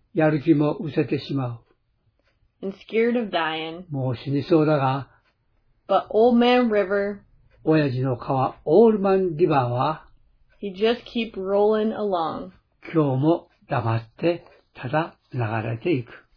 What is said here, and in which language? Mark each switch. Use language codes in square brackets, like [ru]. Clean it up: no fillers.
[ja] やる気も失せてしまう。 [en] And scared of dying. [ja] もう死にそうだが。 [en] But old man river. [ja] 親父の川、オールマンリバーは。 [en] He just keep rolling along. [ja] 今日も黙ってただ流れていく。